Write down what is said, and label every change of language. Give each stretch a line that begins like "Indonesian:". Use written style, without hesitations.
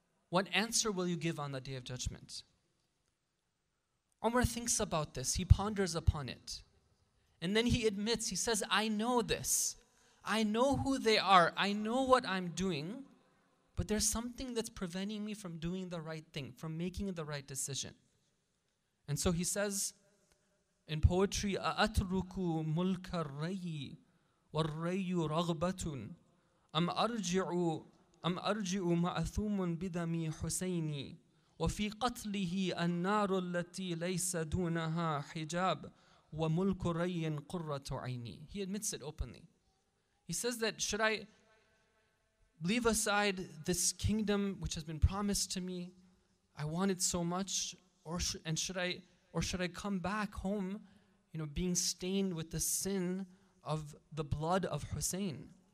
English: What answer will you give on the Day of Judgment? Umar thinks about this. He ponders upon it. And then he admits, he says, I know this. I know who they are. I know what I'm doing. But there's something that's preventing me from doing the right thing, from making the right decision. And so he says in poetry,
Arabic: أَأَتْرُكُ مُلْكَ الرَّيِّ وَالرَّيُّ رَغْبَةٌ أَمْ أَرْجِعُ مَأْثُومٌ بِدَمِي حُسَيْنِي وَفِي قَتْلِهِ النَّارُ الَّتِي لَيْسَ دُونَهَا حِجَابٌ وَمُلْكُ رَيٍّ قُرَّةُ عَيْنِي.
English: He admits it openly. He says that, should I leave aside this kingdom which has been promised to me, I want it so much, or should I come back home, you know, being stained with the sin of the blood of Hussein?